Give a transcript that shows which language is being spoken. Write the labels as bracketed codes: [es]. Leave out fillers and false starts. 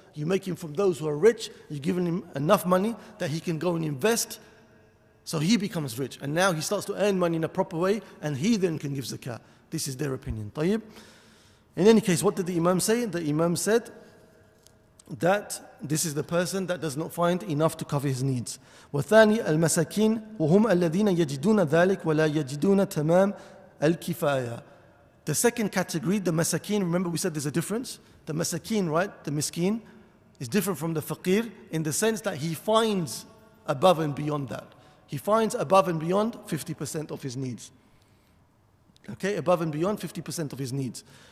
[en] You make him from those who are rich. You're giving him enough money that he can go and invest. So he becomes rich. And now he starts to earn money in a proper way. And he then can give zakat. This is their opinion. Tayyib. In any case, what did the Imam say? The Imam said that this is the person that does not find enough to cover his needs. [ar] وثاني المساكين وهم الذين يجدون ذلك ولا يجدون تمام الكفاية. [en] The second category, the masakin, remember we said there's a difference. The masakin, right, the miskin, is different from the faqir in the sense that he finds above and beyond that. He finds above and beyond 50% of his needs. Okay, above and beyond 50% of his needs.